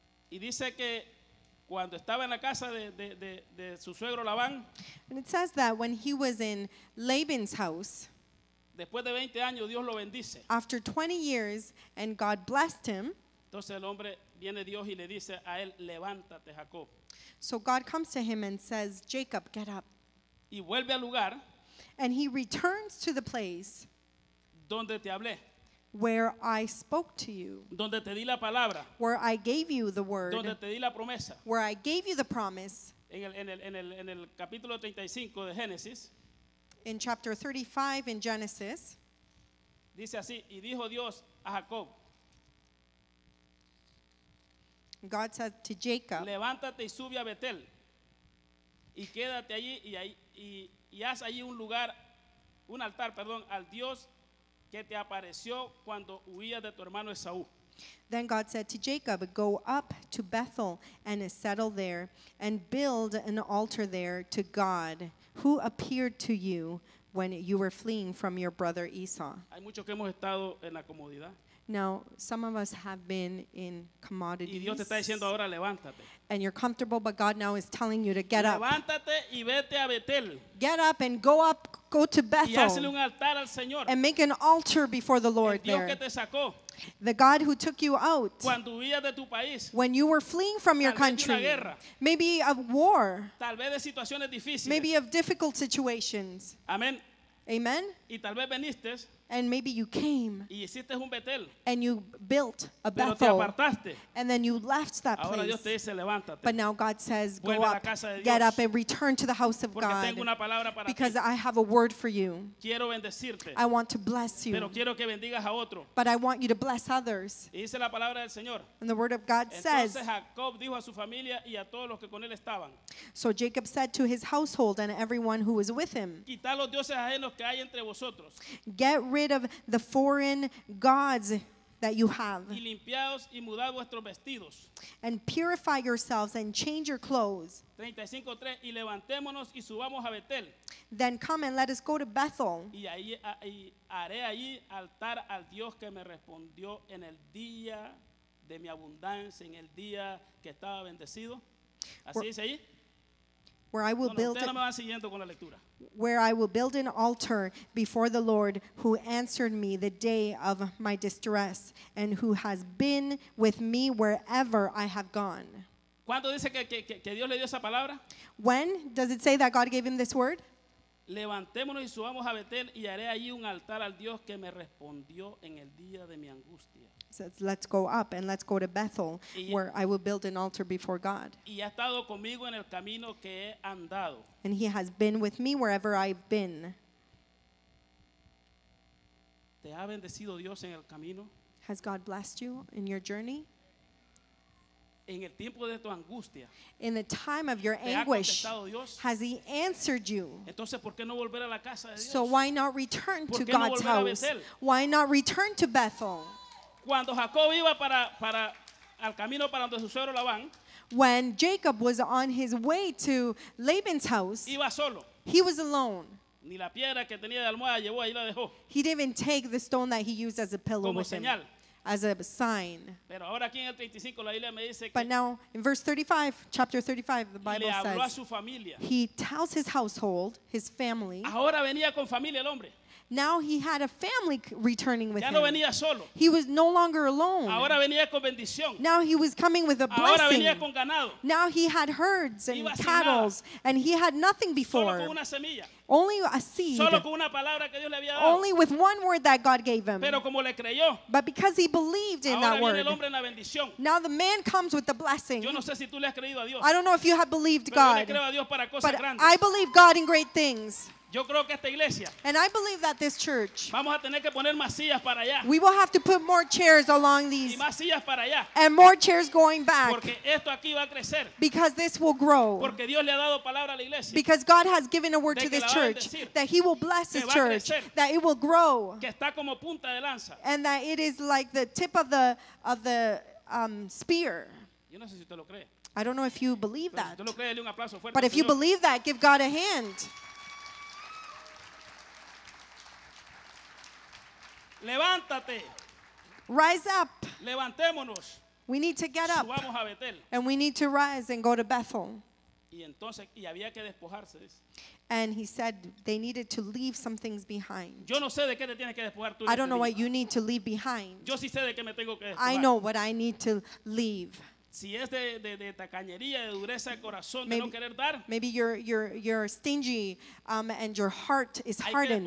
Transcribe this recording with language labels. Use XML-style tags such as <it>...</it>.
<es>Y dice que cuando estaba en la casa de su suegro Labán.</es> <en>And it says that when he was in Laban's house.</en> <es>Después de 20 años, Dios lo bendice.</es> <en>After 20 years, and God blessed him.</en> <es>Entonces el hombre viene Dios y le dice a él, levántate, Jacob.</es> <en>So God comes to him and says, Jacob, get up.</en> <es>Y vuelve al lugar.</es> <en>And he returns to the place.</en> <es>Donde te hablé.</es> <en>Where I spoke to you.</en> <es>Donde te di la palabra.</es> <en>Where I gave you the word.</en> <es>Donde te di la promesa.</es> <en>Where I gave you the promise.</en> <es>En el capítulo 35 de Génesis.</es> <en>In chapter 35 in Genesis.</en> <es>Dice así, y dijo Dios a Jacob.</es> <en>God said to Jacob.</en> <es>Levántate y sube a Betel. Y quédate allí y haz allí un lugar, un altar, perdón, al Dios que te apareció cuando huías de tu hermano Esaú.</es> <en>Then God said to Jacob, go up to Bethel and settle there and build an altar there to God who appeared to you when you were fleeing from your brother Esau.</en> <es>Hay muchos que hemos estado en la comodidad.</es> <en>Now, some of us have been in commodities.</en> <es>Y Dios te está diciendo ahora, levántate.</es> <en>And you're comfortable, but God now is telling you to get up.</en> <es>Levántate y vete a Betel.</es> <en>Get up and go up, go to Bethel.</en> <es>Y hazle un altar al Señor.</es> <en>And make an altar before the Lord</en> <es>El Dios</es> <en>there.</en> <es>Que te sacó.</es> <en>The God who took you out.</en> <es>Cuando huías de tu país.</es> <en>When you were fleeing from</en> <es>Tal</es> <en>your country.</en> <es>Vez de una guerra.</es> <en>Maybe of war.</en> <es>Tal vez de situaciones difíciles.</es> <en>Maybe of difficult situations.</en> <es>Amen.</es> <en>Amen.</en> <es>Y tal vez viniste.</es> <en>And maybe you came</en> <es>y hiciste un Betel,</es> <en>and you built a</en> <es>pero</es> <en>Bethel</en> <es>te apartaste.</es> <en>And then you left that</en> <es>Ahora</es> <en>place</en> <es>Dios te dice, levántate.</es> <en>But now God says go</en> <es>Vuelve</es> <en>up</en> <es>a la casa de Dios.</es> <en>Get up and return to the house of</en> <es>Porque</es> <en>God</en> <es>tengo una palabra para</es> <en>because</en> <es>ti.</es> <en>I have a word for you</en> <es>quiero bendecirte.</es> <en>I want to bless you</en> <es>pero quiero que bendigas a otro.</es> <en>But I want you to bless others</en> <es>y dice la palabra del Señor.</es> <en>And the word of God</en> <es>Entonces,</es> <en>says</en> <es>Jacob dijo a su familia y a todos los que con él estaban,</es> <en>so Jacob said to his household and everyone who was with him</en> <es>quita los dioses ajenos que hay entre vosotros.</es> <en>Get rid of the foreign gods that you have</en> <es>y limpiaos y mudad vuestros vestidos.</es> <en>And purify yourselves and change your clothes.</en> <es>35:3 y levantémonos y subamos a Betel.</es> <en>Then come and let us go to Bethel.</en> <es>Y ahí y haré allí altar al Dios que me respondió en el día de mi abundancia, en el día que estaba bendecido. Así dice ahí.</es> <en>Where I will build an altar before the Lord who answered me the day of my distress and who has been with me wherever I have gone.</en> <es>¿Cuándo dice que Dios le dio esa palabra?</es> <en>When does it say that God gave him this word?</en> <es>Levantémonos y subamos a Betel y haré allí un altar al Dios que me respondió en el día de mi angustia.</es> <en>Says, let's go up and let's go to Bethel where I will build an altar before God.</en> <es>Y ha estado conmigo en el camino que he andado.</es> <en>And he has been with me wherever I've been.</en> <es>¿Te ha bendecido Dios en el camino?</es> <en>Has God blessed you in your journey?</en> <es>En el tiempo de tu angustia.</es> <en>In the time of your anguish, has he answered you?</en> <es>Entonces, ¿por qué no volver a la casa de Dios?</es> <en>So why not return</en> <es>¿Por qué</es> <en>to God's</en> <es>no volver</es> <en>house?</en> <es>A Bethel?</es> <en>Why not return to Bethel?</en> <es>Cuando Jacob iba para al camino para donde su suegro Labán,</es> <en>when Jacob was on his way to Laban's house,</en> <es>iba solo.</es> <en>He was alone.</en> <es>Ni la piedra que tenía de almohada llevó ahí la dejó.</es> <en>He didn't even take the stone that he used as a pillow</en> <es>como</es> <en>with</en> <es>señal.</es> <en>Him, as a sign.</en> <es>Pero ahora aquí en el 35 la Biblia me dice que</es> <en>but now in verse 35, chapter 35, the Bible</en> <es>le habló</es> <en>says</en> <es>a su familia.</es> <en>He tells his household, his family.</en> <es>Ahora venía con familia el hombre.</es> <en>Now he had a family returning with</en> <es>ya</es> <en>him.</en> <es>No venía solo.</es> <en>He was no longer alone.</en> <es>Ahora venía con bendición.</es> <en>Now he was coming with a</en> <es>ahora</es> <en>blessing.</en> <es>Venía con ganado.</es> <en>Now he had herds and</en> <es>iba</es> <en>cattle, and he had nothing before.</en> <es>Solo con una semilla.</es> <en>Only a seed.</en> <es>Solo con una palabra que Dios le había dado.</es> <en>Only with one word that God gave him.</en> <es>Pero como le creyó.</es> <en>But because he believed in</en> <es>ahora</es> <en>that word.</en> <es>Viene el hombre en la bendición.</es> <en>Now the man comes with the blessing.</en> <es>Yo no sé si tú le has creído a Dios.</es> <en>I don't know if you have believed</en> <es>pero</es> <en>God.</en> <es>Yo le creo a Dios para cosas</es> <en>but</en> <es>grandes.</es> <en>I believe God in great things.</en> <es>Yo creo que esta iglesia,</es> <en>and I believe that this church,</en> <es>vamos a tener que poner más sillas para allá.</es> <en>We will have to put more chairs along these,</en> <es>y más sillas para allá.</es> <en>And more chairs going back,</en> <es>porque esto aquí va a crecer.</es> <en>Because this will grow,</en> <es>porque Dios le ha dado palabra a la iglesia.</es> <en>Because God has given a word</en> <es>de</es> <en>to this church,</en> <es>decir,</es> <en>that he will bless this church,</en> <es>crecer,</es> <en>that it will grow,</en> <es>que está como punta de lanza.</es> <en>And that it is like the tip of the spear.</en> <es>Yo no sé si usted lo cree.</es> <en>I don't know if you believe</en> <es>pero</es> <en>that,</en> <es>si usted lo cree, dale un aplauso fuerte, but if Señor.</es> <en>You believe that, give God a hand.</en> <es>Levántate.</es> <en>Rise up.</en> <es>Levantémonos.</es> <en>We need to get up.</en> <es>Subamos a Betel.</es> <en>And we need to rise and go to Bethel.</en> <es>Y entonces, y había que despojarse.</es> <en>And he said they needed to leave some things behind.</en> <es>Yo no sé de qué te tienes que despojar tú. I don't know what you need to leave behind. Yo sí sé de qué me tengo que despojar. I know what I need to leave. Si es de tacañería, de dureza de corazón,</es> <en>maybe,</en> <es>de no querer dar.</es> <en>Maybe you're stingy and your heart is hardened.</en>